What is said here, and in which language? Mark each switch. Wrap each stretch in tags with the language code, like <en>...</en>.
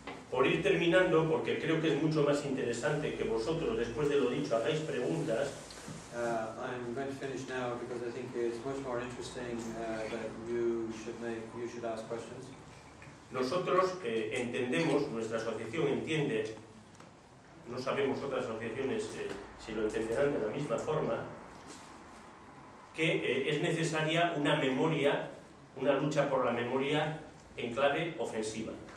<es>Por ir terminando, porque creo que es mucho más interesante que vosotros, después de lo dicho, hagáis preguntas.</es> <en>I'm going to finish now because I think it's much more interesting that you should ask questions.</en> <es>Nosotros entendemos, nuestra asociación entiende, no sabemos otras asociaciones si lo entenderán de la misma forma, que es necesaria una memoria, una lucha por la memoria en clave ofensiva.</es>